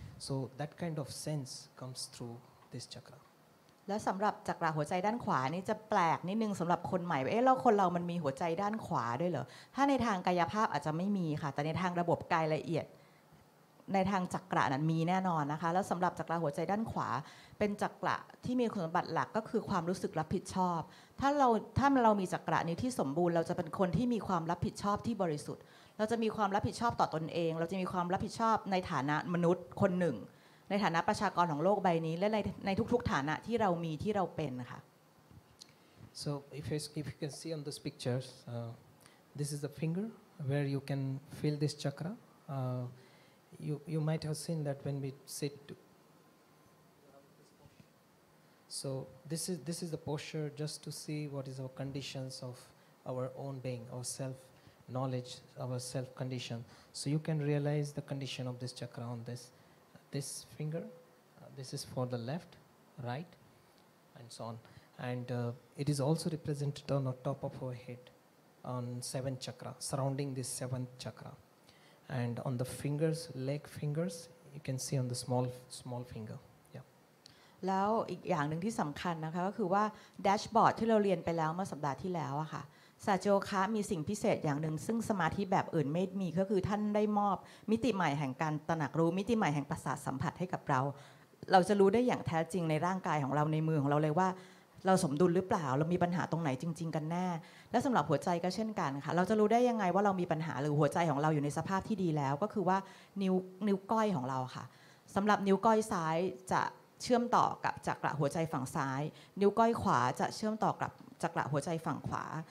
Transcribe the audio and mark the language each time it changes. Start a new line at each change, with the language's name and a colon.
English: So that kind of sense comes through this chakra.
Thai: แล้วสำหรับจักระหัวใจด้านขวานี่จะแปลกนิดนึงสำหรับคนใหม่แล้วคนเรามันมีหัวใจด้านขวาด้วยเหรอถ้าในทางกายภาพอาจจะไม่มีค่ะแต่ในทางระบบกายละเอียด ในทางจักระนั้นมีแน่นอนนะคะแล้วสำหรับจักระหัวใจด้านขวาเป็นจักระที่มีคุณสมบัติหลักก็คือความรู้สึกรับผิดชอบถ้าเรามีจักระนี้ที่สมบูรณ์เราจะเป็นคนที่มีความรับผิดชอบที่บริสุทธิ์เราจะมีความรับผิดชอบต่อตนเองเราจะมีความรับผิดชอบในฐานะมนุษย์คนหนึ่งในฐานะประชากรของโลกใบนี้และในทุกๆฐานะที่เรามีที่เราเป็นค่ะ
English: So if you can see on those pictures this is the finger where you can feel this chakra you might have seen that when we sit So this is the posture just to see what is our conditions of our own being, our self knowledge, our self condition. So you can realize the condition of this chakra on this finger. This is for the left, right, and so on. And it is also represented on the top of our head, on seventh chakra, surrounding this seventh chakra. And on the fingers, leg fingers, you can see on the small finger. Yeah.
Thai: แล้วอีกอย่างหนึ่งที่สำคัญนะคะก็คือว่าแดชบอร์ดที่เราเรียนไปแล้วเมื่อสัปดาห์ที่แล้วอะค่ะซาโจคะมีสิ่งพิเศษอย่างหนึ่งซึ่งสมาธิแบบอื่นไม่มีก็คือท่านได้มอบมิติใหม่แห่งการตระหนักรู้มิติใหม่แห่งประสาทสัมผัสให้กับเรา เราจะรู้ได้อย่างแท้จริงในร่างกายของเราในมือของเราเลยว่าเราสมดุลหรือเปล่าเรามีปัญหาตรงไหนจริงๆกันแน่และสำหรับหัวใจก็เช่นกันค่ะเราจะรู้ได้ยังไงว่าเรามีปัญหาหรือหัวใจของเราอยู่ในสภาพที่ดีแล้วก็คือว่านิ้วก้อยของเราค่ะสำหรับนิ้วก้อยซ้ายจะเชื่อมต่อกับจักระหัวใจฝั่งซ้ายนิ้วก้อยขวาจะเชื่อมต่อกับจักระหัวใจฝั่งขวา